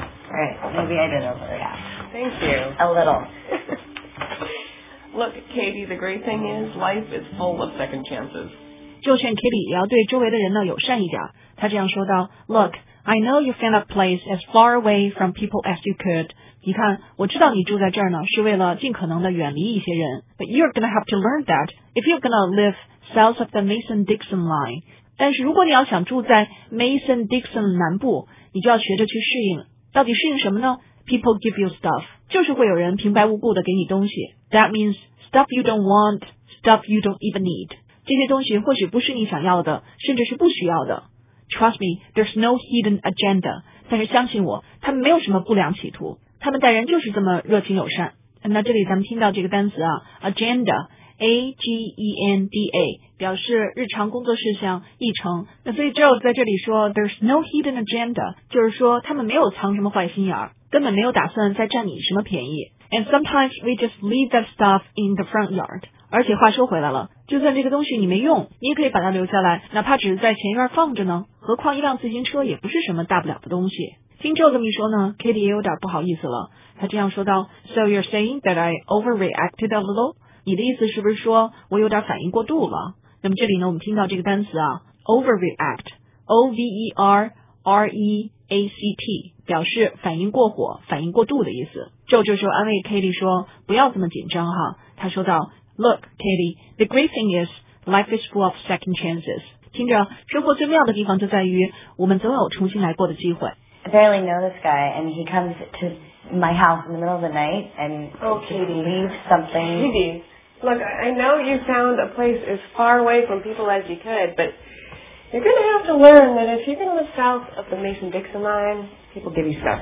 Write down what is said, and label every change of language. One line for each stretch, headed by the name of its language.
English: Right, maybe I did overreact. Thank you. A little. Look, Katie, the great thing is life is full of second chances.
Chinese: 就劝 Katie 也要对周围的人呢友善一点。他这样说道，
English: Look, I know you found a place as far away from people as you could.
Chinese: 你看，我知道你住在这儿呢，是为了尽可能的远离一些人。
English: But you're gonna have to learn that if you're gonna live south of the Mason-Dixon line.
Chinese: 但是如果你要想住在 Mason-Dixon 南部，你就要学着去适应。到底适应什么呢？
English: People give you stuff.
Chinese: 就是会有人平白无故的给你东西。
English: That means stuff you don't want, stuff you don't even need.
Chinese: 这些东西或许不是你想要的，甚至是不需要的。
English: Trust me, there's no hidden agenda.
Chinese: 但是相信我，他们没有什么不良企图。他们待人就是这么热情友善。那这里咱们听到这个单词啊 ，agenda， A G E N D A， 表示日常工作事项、议程。那所以 Joe 在这里说 ，
English: There's no hidden agenda，
Chinese: 就是说他们没有藏什么坏心眼，根本没有打算再占你什么便宜。
English: And sometimes we just leave that stuff in the front yard。
Chinese: 而且话说回来了，就算这个东西你没用，你也可以把它留下来，哪怕只是在前院放着呢。何况一辆自行车也不是什么大不了的东西。听 Joe 这么一说呢 ，Katie 也有点不好意思了。他这样说道 ：
English: “So you're saying that I overreacted a little？
Chinese: 你的意思是不是说我有点反应过度了？” 那么这里呢，我们听到这个单词啊 ，overreact，O-V-E-R-R-E-A-C-T， 表示反应过火、反应过度的意思。 Joe 这时候安慰 Katie 说：“不要这么紧张哈。” 他说道 ：
English: “Look, Katie, the great thing is life is full of second chances。”
Chinese: 听着，生活最妙的地方就在于我们总有重新来过的机会。
English: I barely know this guy, and he comes to my house in the middle of the night and leaves something. Katie, look, I know you found a place as far away from people as you could, but you're going to have to learn that if you're going to live south of the Mason-Dixon line, people people give you stuff.